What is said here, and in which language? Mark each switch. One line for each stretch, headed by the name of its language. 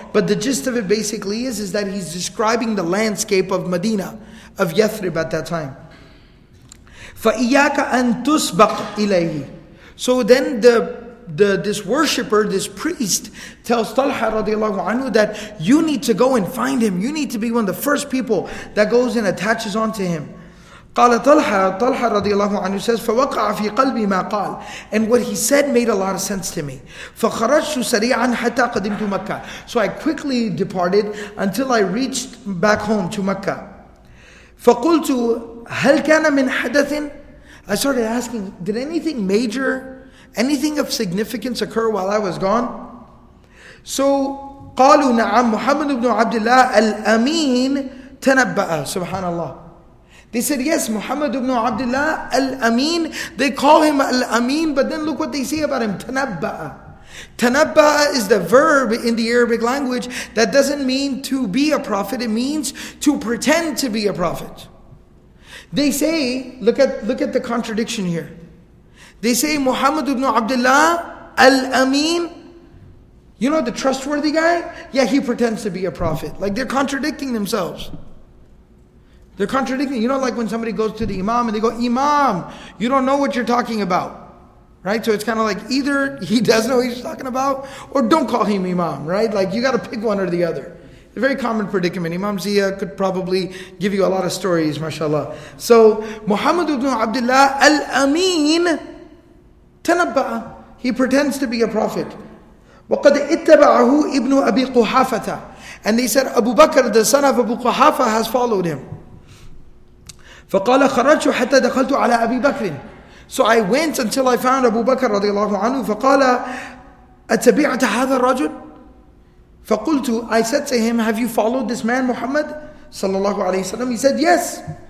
English: But the gist of it basically is that he's describing the landscape of Medina, of Yathrib at that time.
Arabic: فَإِيَّاكَ أَن تُسْبَقْ إِلَيْهِ.
English: So then the this worshipper, this priest, tells Talha radiallahu anhu that you need to go and find him. You need to be one of the first people that goes and attaches onto him.
Arabic: قال طلحة, طلحة رضي الله عنه says, فوقع في قلبي ما قال.
English: And what he said made a lot of sense to me.
Arabic: فخرجت سريعا حتى قدمت مكة.
English: So I quickly departed until I reached back home to Mecca.
Arabic: فقلت هل كان من حدث.
English: I started asking, did anything major, anything of significance occur while I was gone?
Arabic: So قالوا نعم محمد بن عبد الله الأمين تنبأ.
English: Subhanallah. They said, yes, Muhammad ibn Abdullah al-Amin. They call him al-Amin, but then look what they say about him. Tanabba'a. Tanabba'a is the verb in the Arabic language that doesn't mean to be a prophet. It means to pretend to be a prophet. They say, look at the contradiction here. They say, Muhammad ibn Abdullah al-Amin. You know the trustworthy guy? Yeah, he pretends to be a prophet. Like they're contradicting themselves. They're contradicting. You know, like when somebody goes to the Imam and they go, Imam, you don't know what you're talking about. Right? So it's kind of like either he does know what he's talking about or don't call him Imam. Right? Like you got to pick one or the other. A very common predicament. Imam Zia could probably give you a lot of stories, mashallah. So, Muhammad ibn Abdullah al-Amin tanabba. He pretends to be a prophet.
Arabic: وَقَدْ اِتَّبَعَهُ إِبْنُ أَبِي قُحَافَةَ.
English: And they said, Abu Bakr, the son of Abu Quhafa, has followed him.
Arabic: فقال خرجت حتى دخلت على أبي بكر.
English: So I went until I found Abu Bakr رضي الله عنه.
Arabic: فقال أتبعت هذا الرجل.
English: فقلت, I said to him, have you followed this man Muhammad صلى الله عليه وسلم? He said yes.